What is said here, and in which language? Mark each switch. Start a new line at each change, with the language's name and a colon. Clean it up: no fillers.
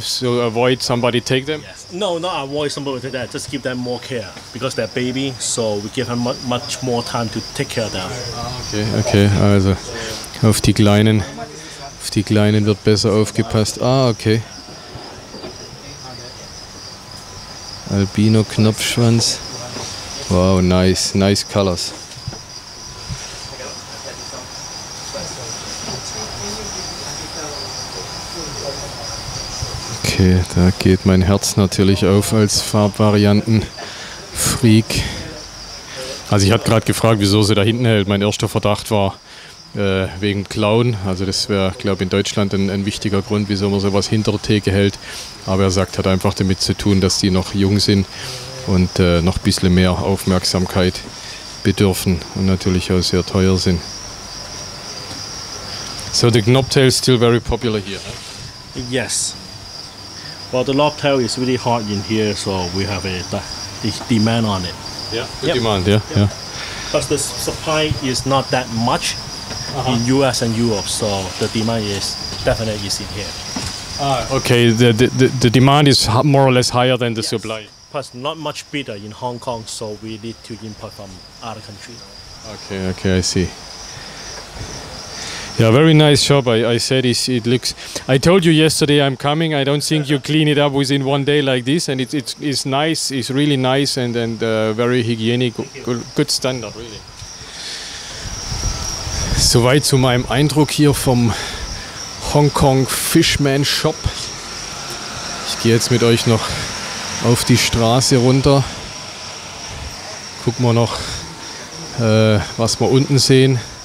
English: So avoid somebody take them? Yes. No, not avoid somebody take that. Just give them more care. Because they're baby, so we give them much more time to take care of them.
German: Okay, also auf die Kleinen. Auf die Kleinen wird besser aufgepasst. Ah, okay.
English: Albino Knopfschwanz. Wow, nice colors.
German: Okay, da geht mein Herz natürlich auf als Farbvarianten-Freak. Also ich hatte gerade gefragt, wieso sie da hinten hält. Mein erster Verdacht war wegen Klauen. Also das wäre, glaube ich, in Deutschland ein wichtiger Grund, wieso man sowas hinter der Theke hält. Aber er sagt, hat einfach damit zu tun, dass die noch jung sind und noch ein bisschen mehr Aufmerksamkeit bedürfen und natürlich auch sehr teuer sind.
English: So the Knobtail is still very popular here. Yes. Well, the Knobtail is really hot in here, so we have a demand on it. Yeah, demand, yeah. Yeah. Because the supply is not that much in US and Europe, so the demand is definitely in here. Okay, the demand is more or less higher than the supply. plus not much bitter in Hong Kong, so we need to import from other countries. Okay, I see. Yeah, very nice shop. I said it looks. I told you yesterday I'm coming. I don't think you clean it up within one day like this. And it's nice. It's really nice and very hygienic. Good standard, really.
German: Soweit zu meinem Eindruck hier vom Hong Kong Fishman Shop. Ich gehe jetzt mit euch noch auf die Straße runter. Gucken wir noch, was wir unten sehen.